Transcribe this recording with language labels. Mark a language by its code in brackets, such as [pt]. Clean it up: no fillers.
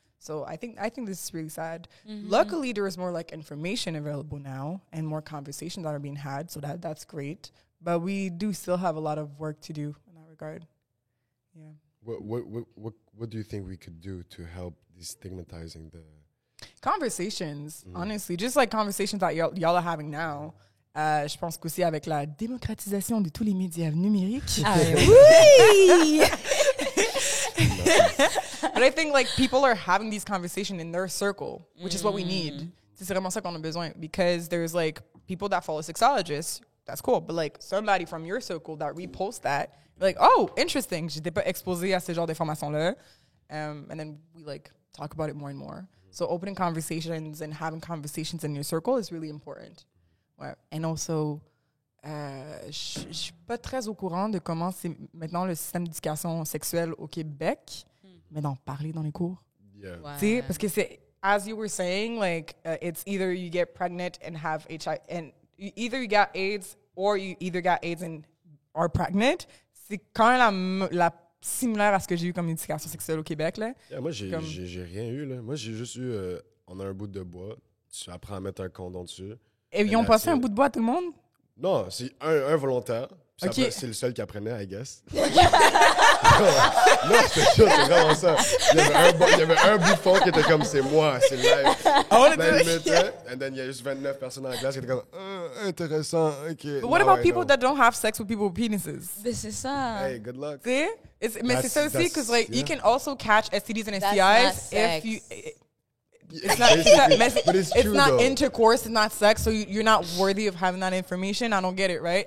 [en] So I think this is really sad. Mm-hmm. Luckily, there is more like information available now and more conversations that are being had. So that's great. But we do still have a lot of work to do in that regard. Yeah. What do you think we could do to help destigmatizing the conversations? Mm. Honestly, just like conversations that y'all are having now. [fr] Je pense qu'aussi avec la démocratisation de tous les médias numériques. [en] But I think like people are having these conversations in their circle, which is what we need. [fr] C'est vraiment ça qu'on a besoin, [en] because there's like people that follow sexologists. That's cool. But like somebody from your circle that reposts that, like, oh, interesting. [fr] J'étais pas exposé à ce genre de formation-là. [en] And then we like talk about it more and more. So opening conversations and having conversations in your circle is really important. [fr] Ouais. [en] And also, [fr] je suis pas très au courant de comment c'est maintenant le système d'éducation sexuelle au Québec, mais d'en parler dans les cours. [en] Yeah. Wow. [fr] T'sais, parce que c'est, [en] as you were saying, like, it's either you get pregnant and have HIV, and you either got AIDS and are pregnant. [fr] C'est quand même la similaire à ce que j'ai eu comme éducation sexuelle au Québec là. Yeah, moi j'ai rien eu là. Moi j'ai juste eu on a un bout de bois, tu apprends à mettre un condom dessus. Et ils ont passé un bout de bois à tout le monde? Non, c'est un volontaire. Ça, okay. C'est le seul qui apprenait, [en] I guess. [fr] Non, c'est vraiment ça. Il y avait un bouffon qui était comme, c'est moi, c'est live. Oh, on était là. Et puis il y a juste 29 personnes dans la classe qui étaient comme, intéressant. [en] Okay. But what about people that don't have sex with people with penises? This is [fr] ça. [en] Hey, good luck. See? [fr] Mais c'est ça aussi, [en] because like, you can also catch STDs and STIs that's not if sex. You. It's not intercourse, it's not sex, so you're not worthy of having that information. I don't get it, right?